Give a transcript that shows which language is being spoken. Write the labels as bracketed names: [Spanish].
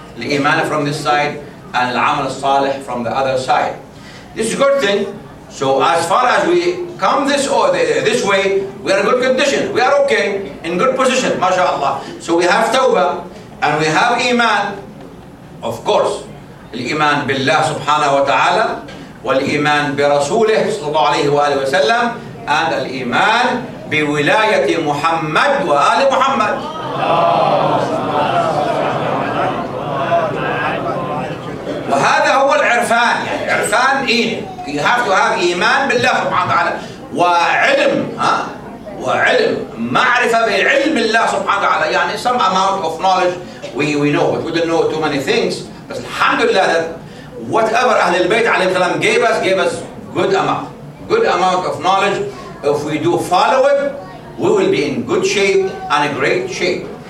[English] The Iman from this side and the Amal Saleh from the other side. This is a good thing. So as far as we come this way, we are in good condition. We are okay, in good position, mashallah. So we have Tawbah and we have Iman, of course. [Arabic] الإيمان بالله سبحانه وتعالى والإيمان برسوله صلى الله عليه وآله وسلم and الإيمان بولاية محمد وآل محمد. وهذا هو العرفان. يعني عرفان إيه؟ [English] You have to have [Arabic] إيمان بالله سبحانه وتعالى وعلم وعلم معرفة بعلم الله سبحانه وتعالى. يعني [English] some amount of knowledge we know, but we don't know too many things. Alhamdulillah, that whatever Ahlul Bayt alayhi salam gave us good amount of knowledge. If we do follow it, we will be in good shape and a great shape.